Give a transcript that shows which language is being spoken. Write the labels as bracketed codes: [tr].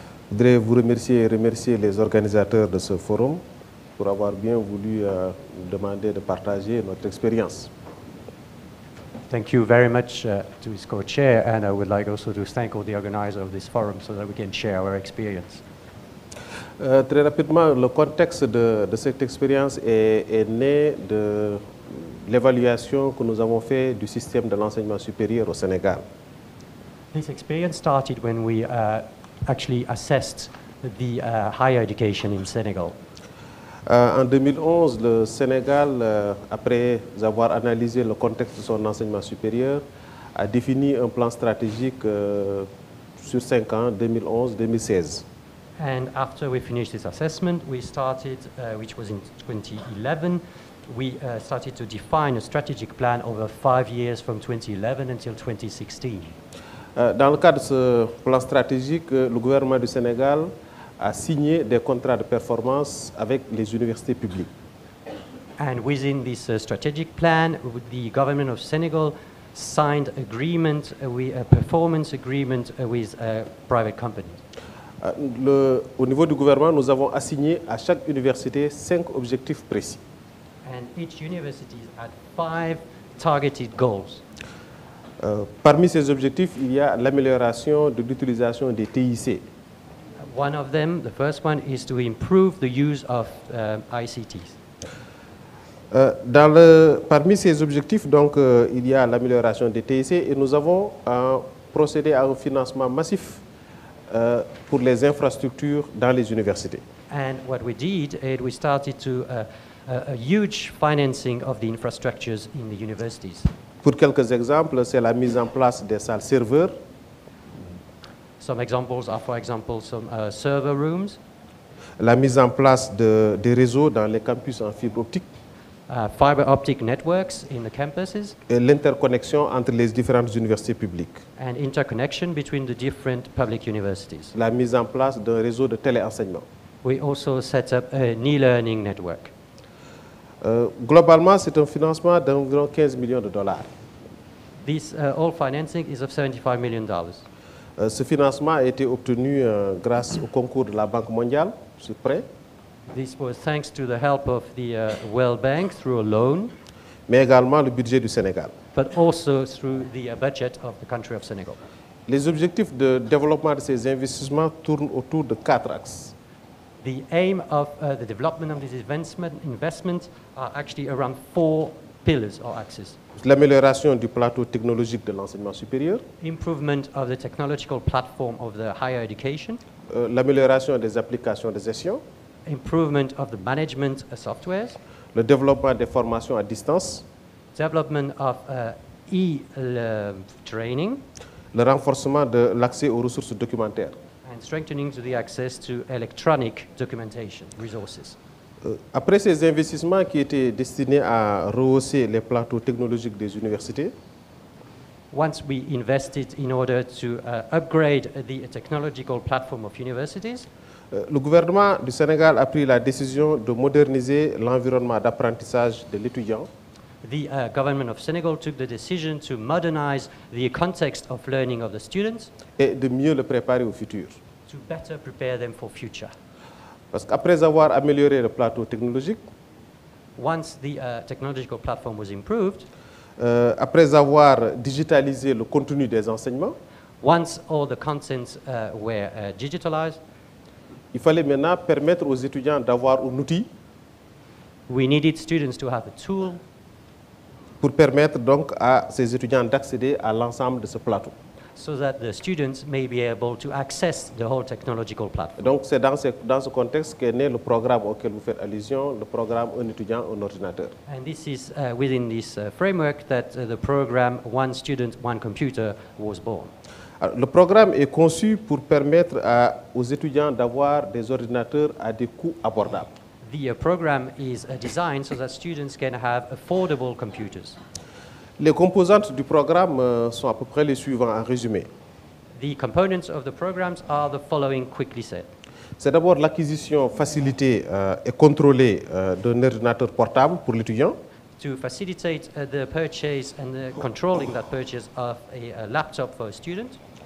[fr] Je voudrais vous remercier et remercier les organisateurs de ce forum pour avoir bien voulu nous demander de partager notre expérience. [en] Thank you very much to his co-chair, and I would like also to thank all the organizers of this forum so that we can share our experience. [fr] Très rapidement, le contexte de cette expérience est né de l'évaluation que nous avons fait du système de l'enseignement supérieur au Sénégal. [en] This experience started when we actually assessed the higher education in Senegal. [fr] En 2011, le Sénégal, après avoir analysé le contexte de son enseignement supérieur, a défini un plan stratégique sur 5 ans, 2011-2016. [en] And after we finished this assessment, we started, which was in 2011, we started to define a strategic plan over 5 years from 2011 until 2016. [fr] Dans le cadre de ce plan stratégique, le gouvernement du Sénégal a signé des contrats de performance avec les universités publiques. [en] And within this strategic plan, the government of Senegal signed agreement, a performance agreement with private companies. [fr] Au niveau du gouvernement, nous avons assigné à chaque université 5 objectifs précis. [en] And each university had 5 targeted goals. [fr] Parmi ces objectifs, il y a l'amélioration de l'utilisation des TIC. [en] One of them, the first one, is to improve the use of ICTs. [fr] Parmi ces objectifs, donc, il y a l'amélioration des TIC et nous avons procédé à un financement massif pour les infrastructures dans les universités. [en] And what we did is we started to a huge financing of the infrastructures in the universities. [fr] Pour quelques exemples, c'est la mise en place des salles serveurs. [en] Some examples are, for example, some server rooms. [fr] La mise en place de réseaux dans les campus en fibre optique. [en] Fiber optic networks in the campuses. [fr] Et l'interconnexion entre les différentes universités publiques. [en] And interconnection between the different public universities. [fr] La mise en place d'un réseau de téléenseignement. [en] We also set up an e-learning network. [fr] Globalement, c'est un financement d'environ 15 millions de dollars. [en] This all financing is of $75 million. [fr] Ce financement a été obtenu grâce au concours de la Banque mondiale, ce prêt. [en] This was thanks to the help of the World Bank through a loan. [fr] Mais également le budget du Sénégal. [en] But also through the budget of the country of Senegal. [fr] Les objectifs de développement de ces investissements tournent autour de quatre axes. [en] The aim of the development of these investments are actually around four pillars or axes. [fr] L'amélioration du plateau technologique de l'enseignement supérieur. [en] Improvement of the technological platform of the higher education. [fr] L'amélioration des applications de gestion. [en] Improvement of the management softwares. [fr] Le développement des formations à distance. [en] Development of e-training. [fr] Le renforcement de l'accès aux ressources documentaires. [en] And strengthening the access to electronic documentation resources. [fr] Après ces investissements qui étaient destinés à rehausser les plateaux technologiques des universités. [en] Once we invested in order to upgrade the technological platform of universities. [fr] Le gouvernement du Sénégal a pris la décision de moderniser l'environnement d'apprentissage de l'étudiant. [en] The government of Senegal took the decision to modernize the context of learning of the students. [fr] Et de mieux le préparer au futur. [en] To better prepare them for future. [fr] Parce qu'après avoir amélioré le plateau technologique. [en] Once the technological platform was improved. [fr] Après avoir digitalisé le contenu des enseignements. [en] Once all the contents were digitalized. [fr] Il fallait maintenant permettre aux étudiants d'avoir un outil. [en] We needed students to have a tool. [fr] Pour permettre donc à ces étudiants d'accéder à l'ensemble de ce plateau. [en] So that the students may be able to access the whole technological platform. [fr] Donc c'est dans ce contexte qu'est né le programme auquel vous faites allusion, le programme Un étudiant, un ordinateur. [en] And this is within this framework that the program One Student, One Computer was born. [fr] Alors, le programme est conçu pour permettre aux étudiants d'avoir des ordinateurs à des coûts abordables. [en] The program is designed so that students can have affordable computers. [fr] Les composantes du programme sont à peu près les suivants en résumé. [en] The components of the programs are the following quickly said. [fr] C'est d'abord l'acquisition facilitée et contrôlée d'un ordinateur portable pour l'étudiant. [en] To facilitate the purchase and the controlling that purchase of a laptop for a student.